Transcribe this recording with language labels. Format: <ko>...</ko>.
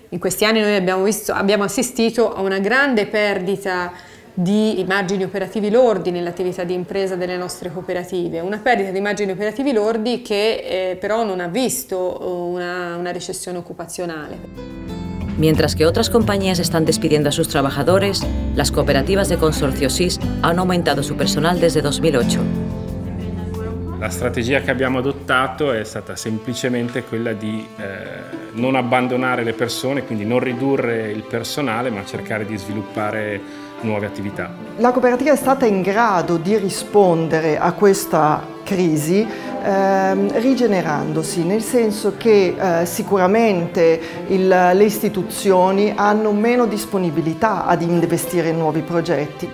<it>In questi anni noi abbiamo assistito a una grande perdita di margini operativi lordi nell'attività di impresa delle nostre cooperative, una perdita di margini operativi lordi che però non ha visto una recessione occupazionale.</it> <es>Mientras que otras compañías están despidiendo a sus trabajadores, las cooperativas de Consorcio SIS han aumentado su personal desde 2008.</es> <it>La strategia che abbiamo adottato è stata semplicemente quella di non abbandonare le persone, quindi non ridurre il personale, ma cercare di sviluppare nuove attività. La cooperativa è stata in grado di rispondere a questa crisi rigenerandosi, nel senso che sicuramente le istituzioni hanno meno disponibilità ad investire in nuovi progetti.</it>